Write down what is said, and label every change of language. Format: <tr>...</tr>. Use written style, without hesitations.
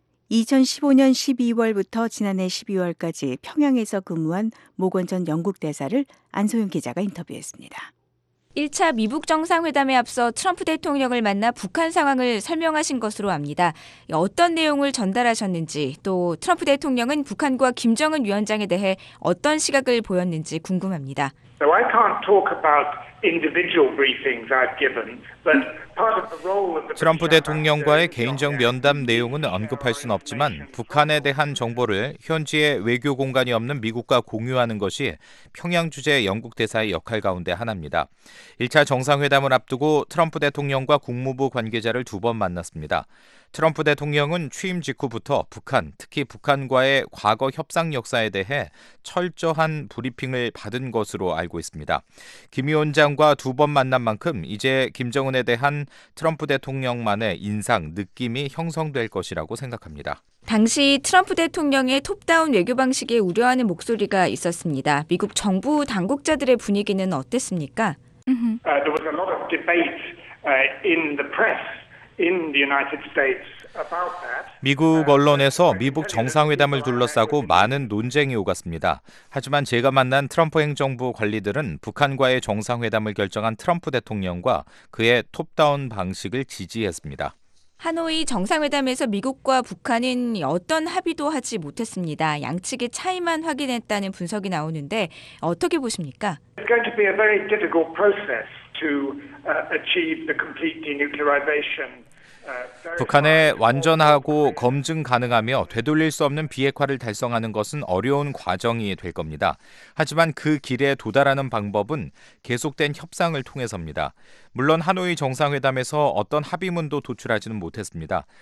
<ko>2015년 12월부터 지난해 12월까지 평양에서 근무한 모건 전 영국 대사를 안소영 기자가 인터뷰했습니다. 1차 미북 정상회담에 앞서 트럼프 대통령을 만나 북한 상황을 설명하신 것으로 압니다. 어떤 내용을 전달하셨는지 또 트럼프 대통령은 북한과 김정은 위원장에 대해 어떤 시각을 보였는지 궁금합니다.</ko> <en>So I can't talk about individual briefings I've given, but</en> <ko>트럼프 대통령과의 개인적 면담 내용은 언급할 순 없지만 북한에 대한 정보를 현지에 외교 공간이 없는 미국과 공유하는 것이 평양 주재 영국 대사의 역할 가운데 하나입니다. 1차 정상회담을 앞두고 트럼프 대통령과 국무부 관계자를 두 번 만났습니다. 트럼프 대통령은 취임 직후부터 북한, 특히 북한과의 과거 협상 역사에 대해 철저한 브리핑을 받은 것으로 알고 있습니다. 김 위원장과 두 번 만난 만큼 이제 김정은에 대한 트럼프 대통령만의 인상, 느낌이 형성될 것이라고 생각합니다. 당시 트럼프 대통령의 톱다운 외교 방식에 우려하는 목소리가 있었습니다. 미국 정부 당국자들의 분위기는 어땠습니까?</ko> <en>There was a lot of debate in the press.</en> <ko>미국 언론에서 미북 정상회담을 둘러싸고 많은 논쟁이 오갔습니다. 하지만 제가 만난 트럼프 행정부 관리들은 북한과의 정상회담을 결정한 트럼프 대통령과 그의 톱다운 방식을 지지했습니다. 하노이 정상회담에서 미국과 북한은 어떤 합의도 하지 못했습니다. 양측의 차이만 확인했다는 분석이 나오는데 어떻게 보십니까?</ko> <en>It's going to be a very difficult process to achieve the complete denuclearization.</en> <ko>북한의 완전하고 검증 가능하며 되돌릴 수 없는 비핵화를 달성하는 것은 어려운 과정이 될 겁니다. 하지만 그 길에 도달하는 방법은 계속된 협상을 통해서입니다. 물론 하노이 정상회담에서 어떤 합의문도 도출하지는 못했습니다.</ko>